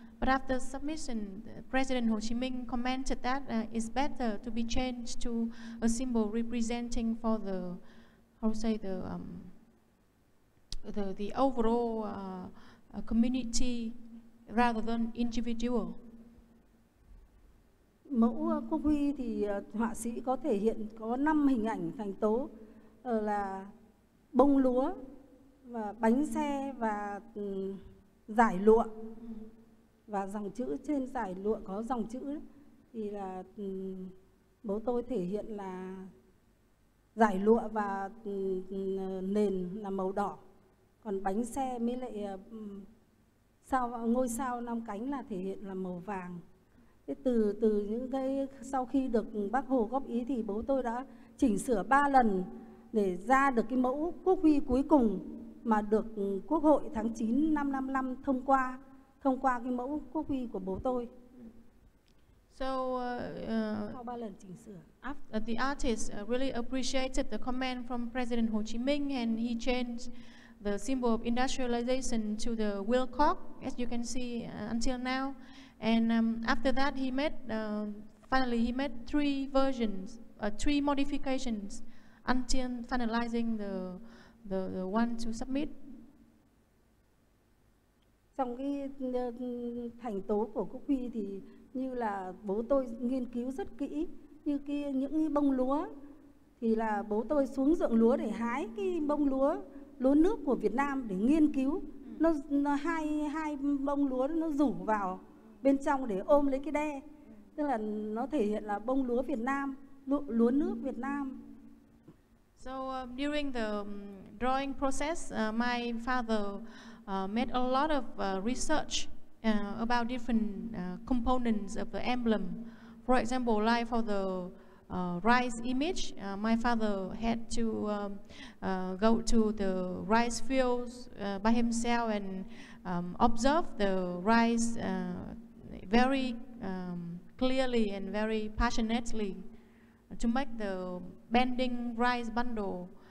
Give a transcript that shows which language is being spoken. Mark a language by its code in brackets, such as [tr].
[en] But after submission, President Ho Chi Minh commented that it's better to be changed to a symbol representing for the, how to say, the overall community rather than individual. [vi] Mẫu quốc huy thì họa sĩ có thể hiện có 5 hình ảnh thành tố là bông lúa và bánh xe và giải lụa. Và dòng chữ trên giải lụa có dòng chữ thì là bố tôi thể hiện là giải lụa và nền là màu đỏ. Còn bánh xe mới lại sao ngôi sao năm cánh là thể hiện là màu vàng. Thế từ những cái sau khi được bác Hồ góp ý thì bố tôi đã chỉnh sửa 3 lần để ra được cái mẫu quốc huy cuối cùng mà được Quốc hội tháng 9 năm 55 thông qua cái mẫu quốc huy của bố tôi. [en] So [vi] sau 3 lần chỉnh sửa. [en] After the artist really appreciated the comment from President Ho Chi Minh and he changed the symbol of industrialization to the Wilcox, as you can see until now. And after that he made finally he made 3 versions, 3 modifications until finalizing the one to submit. [vi] Trong cái thành tố của quốc huy thì như là bố tôi nghiên cứu rất kỹ, như kia những cái bông lúa thì là bố tôi xuống ruộng lúa để hái cái bông lúa lúa nước của Việt Nam để nghiên cứu. Nó hai bông lúa nó rủ vào bên trong để ôm lấy cái đe. Tức là nó thể hiện là bông lúa Việt Nam, lúa nước Việt Nam. [en] So during the drawing process, my father made a lot of research about different components of the emblem. For example, like for the rice image, my father had to go to the rice fields by himself and observe the rice very clearly and very passionately to make the bending rice bundle.